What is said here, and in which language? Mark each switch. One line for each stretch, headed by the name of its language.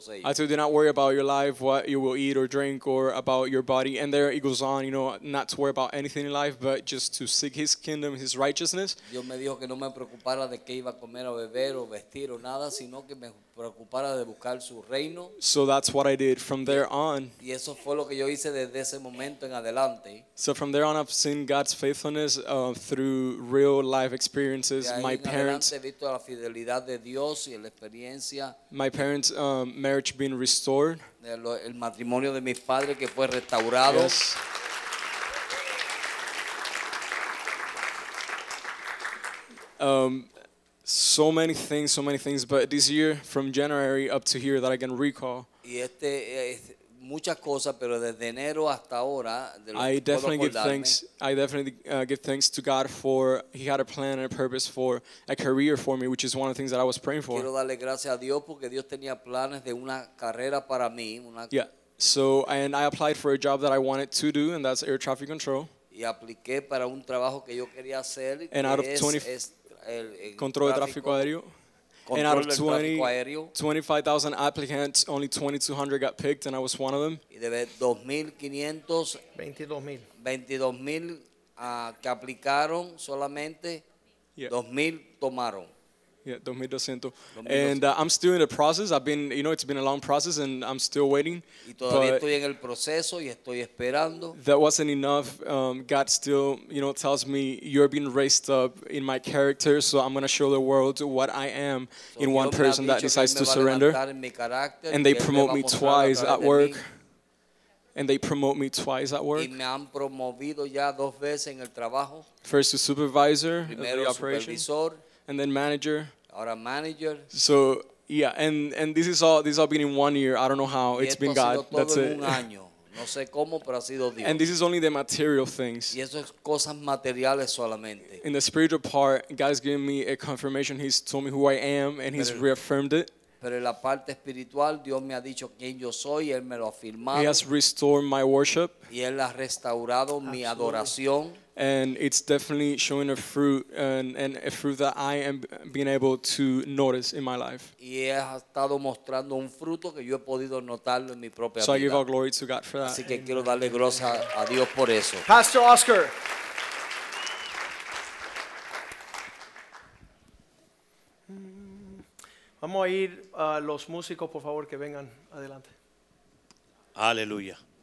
English: I said, do not worry about your life, what you will eat or drink, or about your body. And there it goes on, you know, not to worry about anything in life, but just to seek His kingdom, His righteousness.
Spanish: Dios me dijo que no me preocupara de qué iba a comer o beber o vestir o nada, sino que me preocupara de buscar su reino.
English: So that's what I did from there on.
Spanish: Y eso fue lo que yo hice desde ese momento en adelante.
English: So from there on, I've seen God's faithfulness through real life experiences. My parents,
Spanish: he visto la fidelidad de Dios y la experiencia.
English: My parents' marriage being restored.
Spanish: El matrimonio de mis padres que fue restaurado.
English: Yes. So many things, but this year, from January up to here, that I can recall.
Spanish: Y este, muchas cosas, pero desde enero hasta ahora, de lo que puedo acordarme.
English: I definitely give thanks to God for He had a plan and a purpose for a career for me, which is one of the things that I was praying for.
Spanish: Quiero darle gracias a Dios porque Dios tenía planes de una carrera para mí.
English: Yeah. So, and I applied for a job that I wanted to do, and that's air traffic control.
Spanish: Y apliqué para un trabajo que yo quería hacer.
English: And out of 20,
Spanish: control de tráfico aéreo.
English: And out of 25,000 applicants, only 2,200 got picked, and I was one of them.
Spanish: Y de 22,000 que aplicaron solamente, 2,000 tomaron.
English: Yeah, 2,200. And I'm still in the process. I've been, you know, it's been a long process, and I'm still waiting.
Spanish: Y todavía estoy en el proceso y estoy esperando.
English: That wasn't enough. God still, you know, tells me you're being raised up in my character, so I'm going to show the world what I am in one person that decides to surrender. And they promote me twice at work. And they promote me twice at work.
Spanish: Y me han promovido ya dos veces en el trabajo.
English: First to supervisor,
Spanish: primero
English: of the operation.
Spanish: Supervisor.
English: And then manager. Our manager. So yeah, and this has all been in 1 year. I don't know how. It's been God. That's it.
Spanish: No sé cómo, pero ha sido Dios.
English: And this is only the material things.
Spanish: Y eso es cosas materiales solamente.
English: In the spiritual part, God's given me a confirmation. He's told me who I am, and He's reaffirmed it.
Spanish: Pero en la parte espiritual, Dios me ha dicho quién yo soy, y Él me lo ha afirmado.
English: He has restored my worship.
Spanish: Y Él ha restaurado mi adoración.
English: And it's definitely showing a fruit, and a fruit that I am being able to notice in my life. So I give all glory to God for that.
Spanish: Así que quiero darle gracias a Dios por eso.
English: Pastor Oscar.
Spanish: Vamos a ir a los músicos, por favor, que vengan adelante. Aleluya.